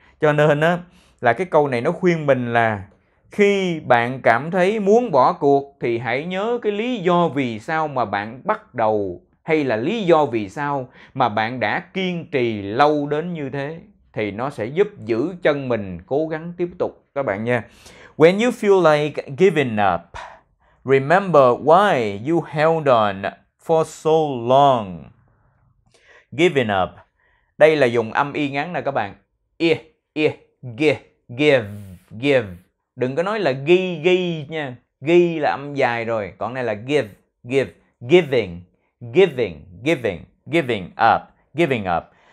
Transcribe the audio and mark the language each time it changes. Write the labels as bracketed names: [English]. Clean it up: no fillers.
[Vietnamese] Cho nên á, là cái câu này nó khuyên mình là khi bạn cảm thấy muốn bỏ cuộc thì hãy nhớ cái lý do vì sao mà bạn bắt đầu, hay là lý do vì sao mà bạn đã kiên trì lâu đến như thế, thì nó sẽ giúp giữ chân mình cố gắng tiếp tục các bạn nha. [English] When you feel like giving up, remember why you held on for so long. Giving up. [Vietnamese] Đây là dùng âm y ngắn nè các bạn. I, I, g, give, give. Đừng có nói là ghi, ghi nha. Ghi là âm dài rồi. Còn này là [English] give, give, giving, giving, giving, giving up, giving up.